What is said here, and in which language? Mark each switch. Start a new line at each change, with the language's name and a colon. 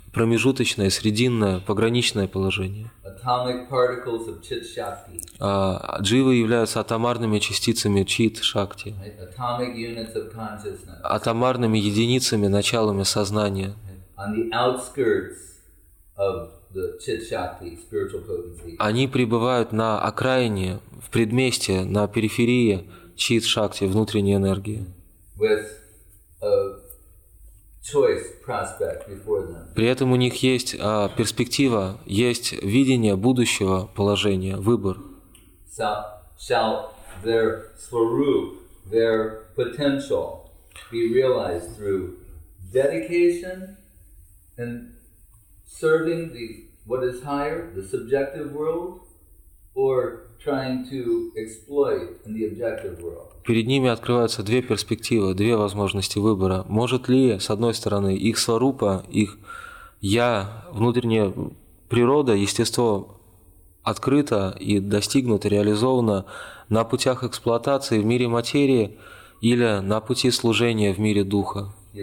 Russian: Промежуточное, срединное, пограничное положение.
English: Atomic particles of chit shakti.
Russian: Дживы являются атомарными частицами чит шакти.
English: Atomic units of consciousness.
Russian: Атомарными единицами, началами сознания.
English: On the outskirts of the chit shakti, spiritual potency.
Russian: Они пребывают на окраине, в предместье, на периферии чит шакти, внутренней энергии.
English: With a choice prospect before them.
Russian: При этом у них есть перспектива, есть видение будущего положения, выбор.
English: Shall their swarup, their potential, be realized through dedication and serving the what is higher, the subjective world, or trying to exploit in the objective world?
Russian: Перед ними открываются две перспективы, две возможности выбора. Может ли, с одной стороны, их сварупа, их я, внутренняя природа, естество открыто и достигнуто, реализовано на путях эксплуатации в мире материи или на пути служения в мире духа?